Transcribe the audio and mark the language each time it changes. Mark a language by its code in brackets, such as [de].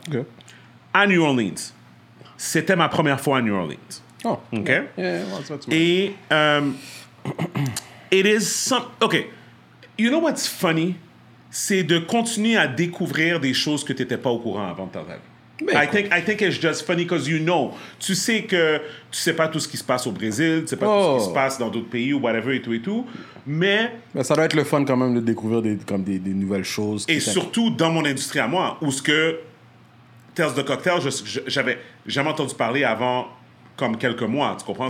[fr] OK. À New Orleans. C'était ma première fois à New Orleans. Oh. OK? Yeah, [en] well, that's what's mine. Et, OK. You know what's funny? [fr] C'est de continuer à découvrir des choses que tu n'étais pas au courant avant de t'arriver. [en] I think it's just funny because you know. [fr] Tu sais que tu ne sais pas tout ce qui se passe au Brésil, tu ne sais pas tout ce qui se passe dans d'autres pays ou whatever et tout et tout, mais... Ben, ça doit être le fun quand même de découvrir des nouvelles choses. Et surtout dans mon industrie à moi, où ce que Tales de Cocktail, j'avais jamais entendu parler avant comme quelques mois, tu comprends?